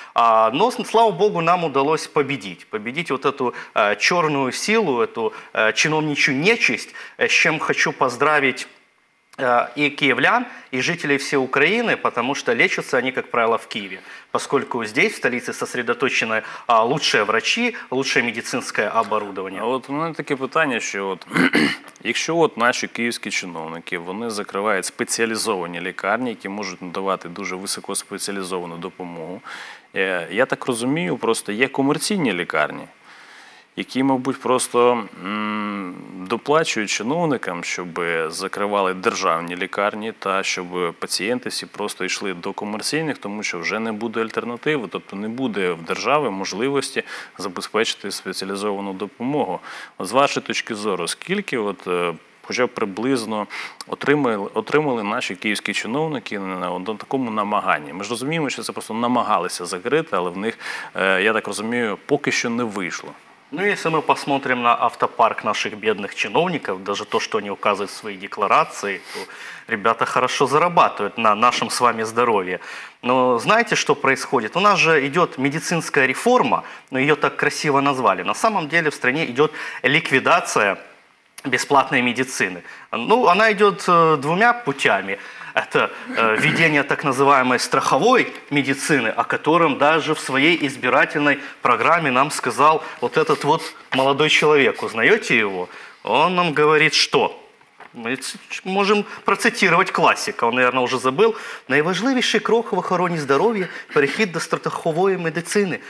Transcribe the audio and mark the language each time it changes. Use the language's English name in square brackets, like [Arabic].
[Russian] Но, слава богу, нам удалось победить. Победить вот эту черную силу, эту чиновничью нечисть, с чем хочу поздравить и киевлян, и жителей всей Украины, потому что лечатся они, как правило, в Киеве. Поскольку здесь, в столице, сосредоточены лучшие врачи, лучшее медицинское оборудование. А вот у меня такие питання, что вот, если вот наши киевские чиновники, они закрывают специализованные лекарни, которые могут давать очень высокоспециализованную допомогу, я так понимаю, просто есть коммерческие лекарни, [Ukrainian] які, мабуть, просто доплачують чиновникам, щоб закривали державні лікарні та щоб пацієнти всі просто йшли до комерційних, тому що вже не буде альтернативи, тобто не буде в держави можливості забезпечити спеціалізовану допомогу. От з вашої точки зору, скільки от хоча б приблизно отримали наші київські чиновники на такому намаганні. Ми ж розуміємо, що це просто намагалися закрити, але в них, я так розумію, поки що не вийшло. Ну, якщо ми посмотрим на автопарк наших бідних чиновників, навіть то, що вони вказують в своїй декларації, то [Russian] ребята хорошо [Ukrainian] зарабатують на нашому з вами здоров'ї. [Russian] Но знаете, что происходит? У нас же идет медицинская реформа, но ее так красиво назвали. На самом деле в стране идет ликвидация бесплатной медицины. Ну, она идет двумя путями. Это введение так называемой страховой медицины, о котором даже в своей избирательной программе нам сказал вот этот вот молодой человек. Узнаете его? Он нам говорит, что... [Ukrainian] Ми можемо процитувати класика, він, мабуть, вже забув. Найважливіший крок в охороні здоров'я – перехід до страхової медицини.